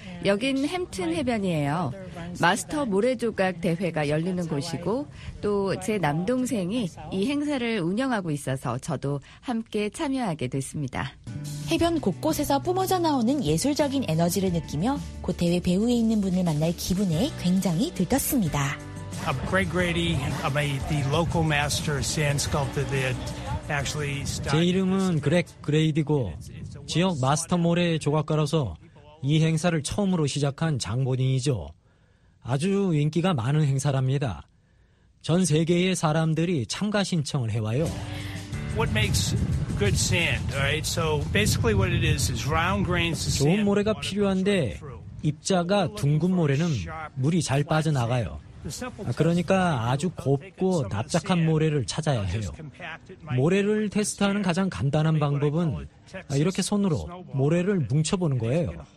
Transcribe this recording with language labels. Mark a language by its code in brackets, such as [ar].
[ko] 여긴 햄튼 해변이에요. 마스터 모래조각 대회가 열리는 곳이고 또 제 남동생이 이 행사를 운영하고 있어서 저도 함께 참여하게 됐습니다. 해변 곳곳에서 뿜어져 나오는 예술적인 에너지를 느끼며 곧 대회 배후에 있는 분을 만날 기분에 굉장히 들떴습니다. [en] I'm Craig Grady. I'm the local master sand sculptor that actually started. [ko] 제 이름은 그렉 그레이디고 지역 마스터 모래 조각가로서 이 행사를 처음으로 시작한 장본인이죠. 아주 인기가 많은 행사랍니다. 전 세계의 사람들이 참가 신청을 해와요. [en] What makes good sand, right? So basically what it is round grains of sand. [ko] 좋은 모래가 필요한데 입자가 둥근 모래는 물이 잘 빠져나가요. 그러니까 아주 곱고 납작한 모래를 찾아야 해요. 모래를 테스트하는 가장 간단한 방법은 이렇게 손으로 모래를 뭉쳐보는 거예요.